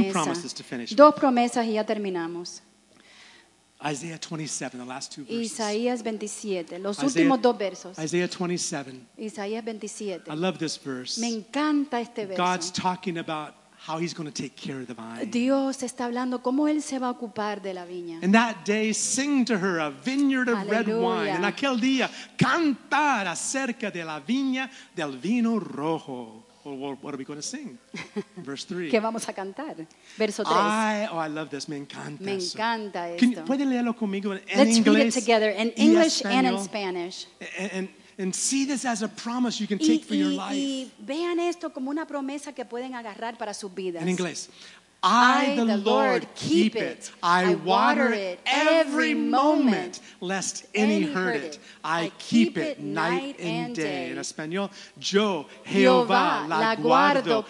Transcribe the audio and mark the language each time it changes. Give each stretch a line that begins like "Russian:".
English: Two promises to finish.
Spanish: Dos promesas y ya terminamos.
English: Isaiah 27, the last two verses.
Spanish: Isaías 27, los últimos dos versos.
English: Isaiah 27.
Spanish: Isaías 27.
English: I love this verse.
Spanish: Me encanta este verso.
English: God's talking about how he's going to take care of the vine.
Spanish: Dios está hablando cómo él se va a ocupar de la viña.
English: In that day, sing to her a vineyard of
Spanish: Aleluya.
English: Red wine.
Spanish: En aquel día, cantar acerca de la viña del vino rojo.
English: Well, what are we going to sing? Verse 3.
Spanish: ¿Qué vamos a cantar? Verso 3.
English: I love this.
Spanish: Me encanta. Me encanta eso. Esto. ¿Puede leerlo conmigo en
English: Let's
Spanish: inglés?
English: Let's read it together in English and in Spanish. And see this as a promise you can take for your life.
Spanish: Y vean esto como una promesa que pueden agarrar para sus vidas. En inglés.
English: I the Lord keep it. I water it every moment, lest any hurt it. I keep it night and day.
Spanish: En español, yo, Jehová, la guardo.